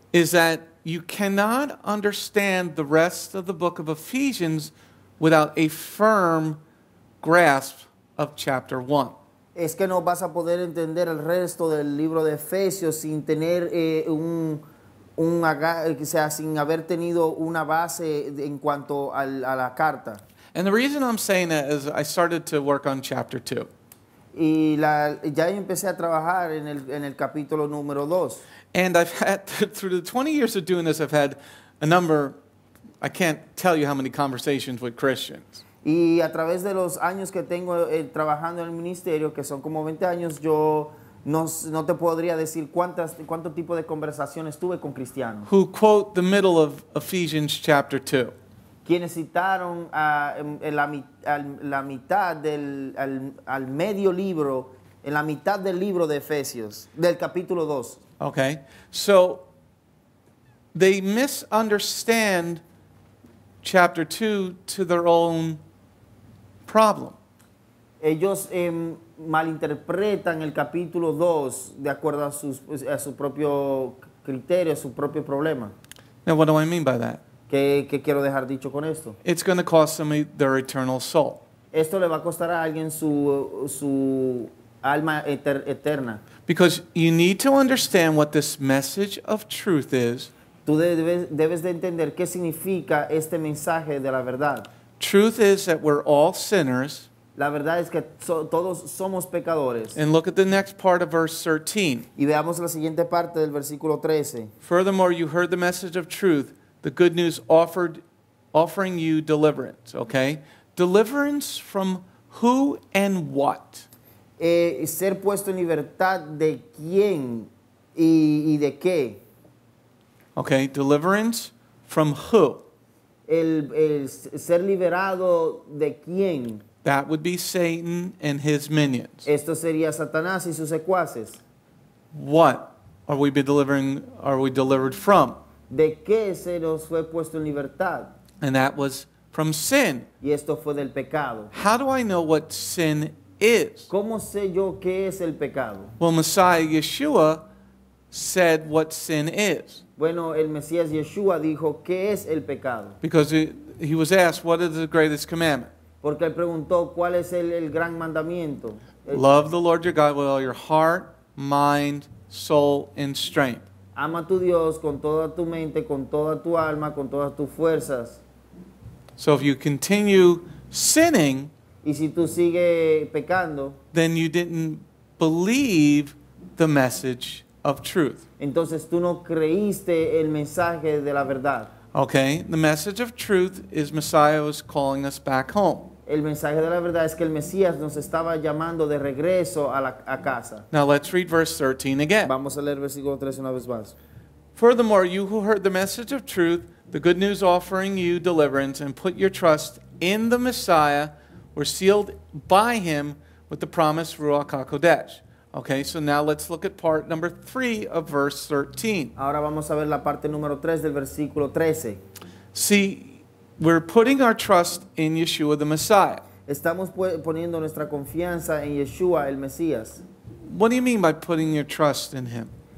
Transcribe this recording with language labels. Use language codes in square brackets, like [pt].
[en] is that you cannot understand the rest of the book of Ephesians without a firm grasp of chapter 1. [es] Es que no vas a poder entender el resto del libro de Efesios sin tener sin haber tenido una base en cuanto a la carta. [en] And the reason I'm saying that is I started to work on chapter 2. [es] Y ya empecé a trabajar en el capítulo número 2. [en] And I've had, through the 20 years of doing this, I've had a number, I can't tell you how many conversations with Christians. [es] Y a través de los años que tengo trabajando en el ministerio, que son como 20 años, yo no te podría decir cuánto tipo de conversaciones tuve con cristianos. [en] Who quote the middle of Ephesians chapter 2. [es] Quienes citaron la mitad del al medio libro, en la mitad del libro de Efesios, del capítulo 2. [en] Okay. So they misunderstand chapter 2 to their own problem. [es] Ellos malinterpretan el capítulo 2 de acuerdo a sus a su propio criterio, a su propio problema. [en] Now, what do I mean by that? [es] ¿Qué quiero dejar dicho con esto? [en] It's going to cost them their eternal soul. [es] Esto le va a costar a alguien su alma eterna. [en] Because you need to understand what this message of truth is. [es] Tú debes de entender qué significa este mensaje de la verdad. [en] Truth is that we're all sinners. [es] La verdad es que todos somos pecadores. [en] And look at the next part of verse 13. [es] Y veamos la siguiente parte del versículo 13. [en] Furthermore, you heard the message of truth, the good news offering you deliverance. Okay? Deliverance from who and what? [es] Ser puesto en libertad de quién y de qué. [en] Okay, deliverance from who? [es] El ser liberado de quién. [en] That would be Satan and his minions. [es] Esto sería Satanás y sus secuaces. [en] What are we delivering? Are we delivered from? [es] De qué se nos fue puesto en libertad. [en] And that was from sin. [es] Y esto fue del pecado. [en] How do I know what sin is? [es] ¿Cómo sé yo qué es el pecado? [en] Well, Messiah Yeshua said what sin is. [es] Bueno, el Mesías Yeshua dijo qué es el pecado. [en] Because he was asked, what is the greatest commandment? [es] Porque él preguntó, ¿cuál es el gran mandamiento? [en] Love the Lord your God with all your heart, mind, soul, and strength. [es] Ama a tu Dios con toda tu mente, con toda tu alma, con todas tus fuerzas. [en] So if you continue sinning, [es] y si tú sigues pecando, [en] then you didn't believe the message of truth. [es] Entonces tú no creíste el mensaje de la verdad. [en] Okay, the message of truth is Messiah was calling us back home. [es] El mensaje de la verdad es que el Mesías nos estaba llamando de regreso a casa. [en] Now let's read verse 13 again. [es] Vamos a leer versículo 13 una vez más. [en] Furthermore, you who heard the message of truth, the good news offering you deliverance and put your trust in the Messiah, were sealed by him with the promised Ruach HaKodesh. Okay, so now let's look at part number 3 of verse 13. [es] Ahora vamos a ver la parte número 3 del versículo 13. [en] See, we're putting our trust in Yeshua the Messiah. [es] Estamos poniendo nuestra confianza en Yeshua el Mesías. [en] What do you mean by putting your trust in him?